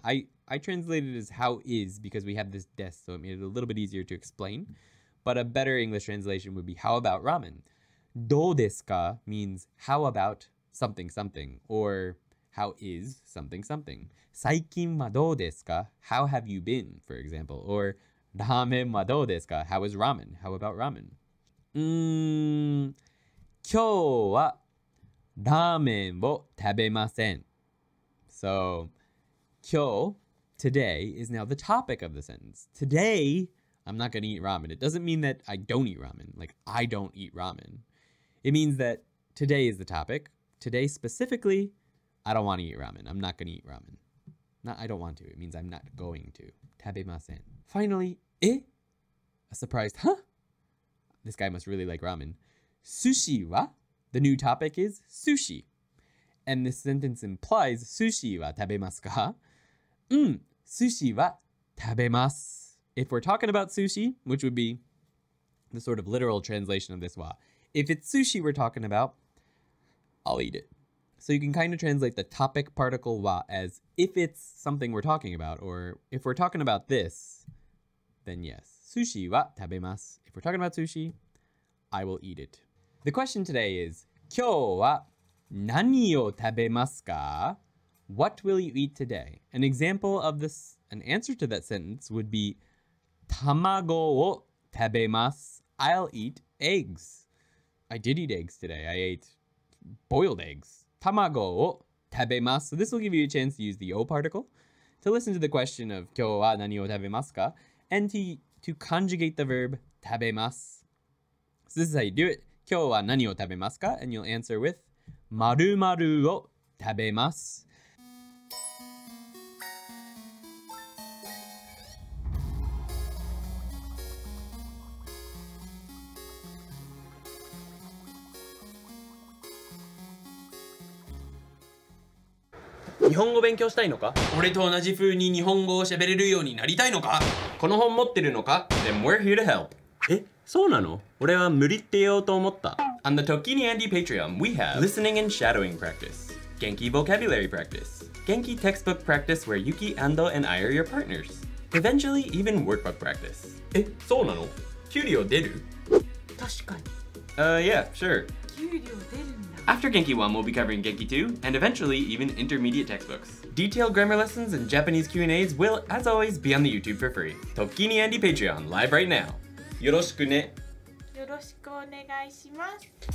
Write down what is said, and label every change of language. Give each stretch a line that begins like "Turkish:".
English: I translated it as how is because we have this des, so it made it a little bit easier to explain. But a better English translation would be how about ramen?
Japanese: どうですか?
English: Means how about something something or how is something something.
Japanese: 最近はどうですか?
English: How have you been, for example?
Japanese: Or ラーメンはどうですか?
English: How is ramen? How about ramen?
Japanese: 今日はラーメンを食べません。
English: So, 今日, today, is now the topic of the sentence. Today, I'm not going to eat ramen. It doesn't mean that I don't eat ramen. Like, I don't eat ramen. It means that today is the topic. Today, specifically, I don't want to eat ramen. I'm not going to eat ramen. Not I don't want to. It means I'm not going to.
Japanese: 食べません.
English: Finally, A surprised, huh? This guy must really like ramen. Sushi wa? The new topic is sushi. And this sentence implies
Japanese: sushi wa tabemasu ka? Sushi wa tabemasu.
English: If we're talking about sushi, which would be the sort of literal translation of this wa, if it's sushi we're talking about, I'll eat it. So you can kind of translate the topic particle wa as if it's something we're talking about, or if we're talking about this, then yes.
Japanese: Sushi wa tabemasu.
English: If we're talking about sushi, I will eat it. The question today is,
Japanese: 今日は何を食べますか?
English: What will you eat today? An example of this, an answer to that sentence would be,
Japanese: 卵を食べます。
English: I'll eat eggs. I did eat eggs today. I ate boiled eggs.
Japanese: 卵を食べます。
English: So this will give you a chance to use the O particle to listen to the question of
Japanese: 今日は何を食べますか?
English: And to conjugate the verb
Japanese: 食べます。
English: So this is how you do it.
Japanese: 今日は何を食べますか?
English: And you'll answer with
Japanese: 〇〇を食べます。日本語勉強したいのか俺と同じ風に日本語を喋れるようになりたいのかこの本持ってるのか
English: Then we're here to help.
Japanese: え、そうなの俺は無理って言おうと思った。
English: On the ToKini Andy Patreon, we have Listening and Shadowing Practice, Genki Vocabulary Practice, Genki Textbook Practice where Yuki, Ando, and I are your partners, Eventually even Workbook Practice.
Japanese: え、そうなの給料出る確かに。
English: Yeah, sure.
Japanese: 給料出る
English: After Genki 1, we'll be covering Genki 2, and eventually even intermediate textbooks. Detailed grammar lessons and Japanese Q&As will, as always, be on the YouTube for free. ToKini Andy Patreon, live right now.
Japanese: よろしくね。よろしくお願いします。